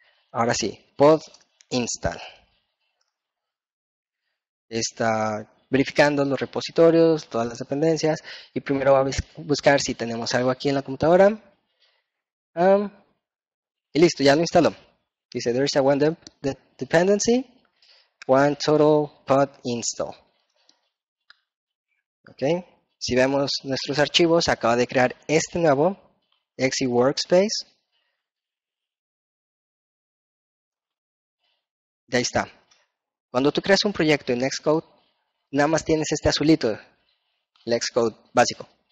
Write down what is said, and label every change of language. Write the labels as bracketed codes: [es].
[es] Ahora sí, pod install. Está verificando los repositorios, todas las dependencias. Y primero va a buscar si tenemos algo aquí en la computadora. Y listo, ya lo instaló. [en] Dice: There is a one dependency, one total pod install. Ok. [es] Si vemos nuestros archivos, acaba de crear este nuevo. Exe Workspace. Ya está. Cuando tú creas un proyecto en Xcode, nada más tienes este azulito, el Xcode básico.